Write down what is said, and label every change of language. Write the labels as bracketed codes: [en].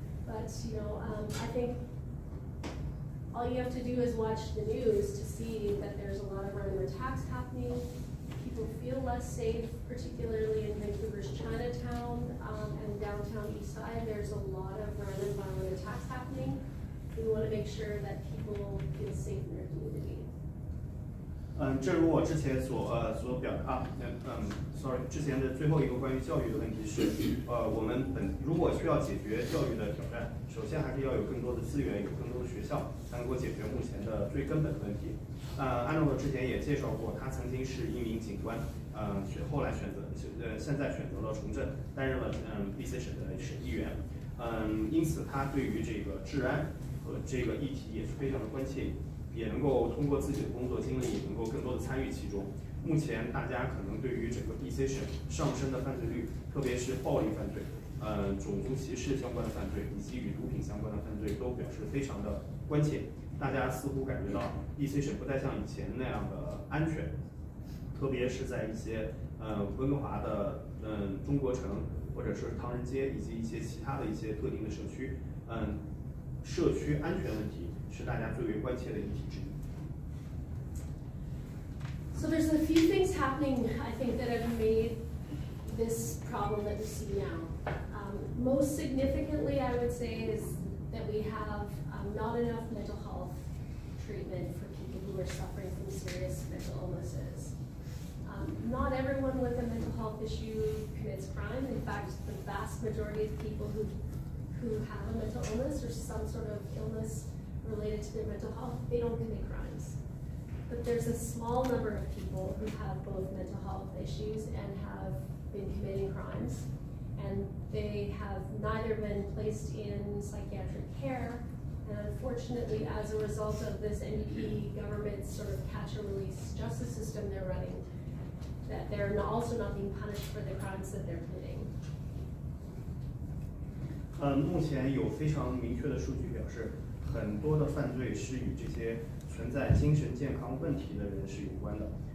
[en] But you know, I think all you have to do is watch the news to see that there's a lot of random attacks happening. People feel less safe, particularly in Vancouver's Chinatown and downtown East Side. There's a lot of random violent attacks happening. We want to make sure that people feel safe in their community. [zh] 正如我之前所表达，之前的最后一个关于教育的问题是，我们本如果需要解决教育的挑战，首先还是要有更多的资源，有更多的学校，才能够解决目前的最根本的问题。安诺之前也介绍过，他曾经是一名警官，后来现在选择了从政，担任了BC 省的省议员，因此他对于这个治安和这个议题也是非常的关切。也能够通过自己的工作经历能够更多的参与其中。目前大家可能对于整个 BC 省上升的犯罪率，特别是暴力犯罪、种族歧视相关的犯罪以及与毒品相关的犯罪都表示非常的关切。大家似乎感觉到 BC 省不再像以前那样的安全，特别是在一些温哥华的中国城或者是唐人街以及一些其他的一些特定的社区，社区安全问题是大家最为关切的议题之一。 [en] So there's a few things happening, I think, that have made this problem that we see now. Most significantly, I would say, is that we have not enough mental health treatment for people who are suffering from serious mental illnesses. Not everyone with a mental health issue commits crime. In fact, the vast majority of people who have a mental illness or some sort of illness related to their mental health, they don't commit crimes. But there's a small number of people who have both mental health issues and have been committing crimes, and they have neither been placed in psychiatric care, and unfortunately, as a result of this NDP government's sort of catch-and-release justice system they're running, that they're also not being punished for the crimes that they're committing. [zh] 目前有非常明确的数据表示，很多的犯罪是与这些存在精神健康问题的人是有关的。